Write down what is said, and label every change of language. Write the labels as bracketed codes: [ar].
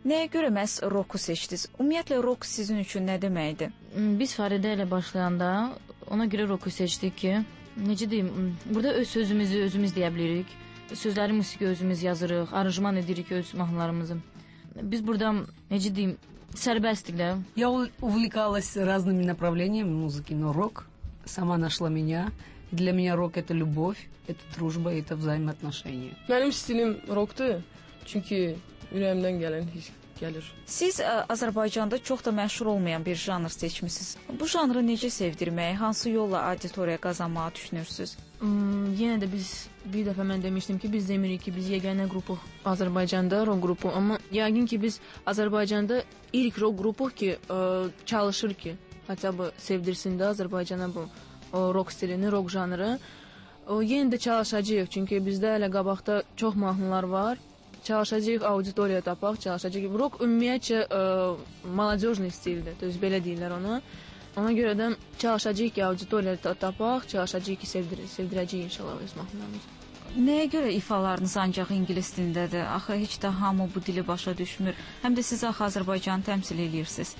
[az] Nəyə görə məhz roku seçdiniz? Ümumiyyətlə, rok sizin üçün nə deməkdir? Biz Fəridə ilə başlayanda ona görə roku seçdik ki, necə deyim, burada öz sözümüzü özümüz deyə bilirik. Sözləri musiqi özümüz yazırıq, aranjman edirik öz mahnılarımızı. Biz burada, necə deyim, sərbəstdik də. [ru] Я увлекалась разными направлениями музыки, но рок сама нашла меня. Для меня рок это любовь, это дружба, это взаимоотношения. [az] Mənim stilim rokdur, çünki ürəyimdən gələn his gəlir. Siz Azərbaycanda çox da məşhur olmayan bir janr seçmisiniz. Bu janrı necə sevdirmək, hansı yolla auditoriya qazanmağı düşünürsüz? Yenə də biz bir dəfə mən demişdim ki, biz demirik ki, biz yeganə qrupuq Azərbaycanda rok qrupu, amma yəqin ki biz Azərbaycanda ilk rok qrupuq ki, çalışır ki, hətta bu sevdirsin də Azərbaycana bu. O rock stilini, rock janrı. O yenə də çalışacağıq, çünki bizdə hələ qabaqda çox mahnılar var. Çalışacağıq, auditoriya tapaq, çalışacağıq. Rock ümumiyyətcə molodyojni stildir, düz belə deyirlər ona. Ona görə də çalışacağıq ki, auditoriya tapaq, çalışacağıq ki, sevdirəcəyik inşallah öz mahnılarımızı. Nəyə görə ifalarınız ancaq ingilis dilindədir? Axı, heç də hamı bu dili başa düşmür. Həm də siz axı Azərbaycanı təmsil edirsiniz.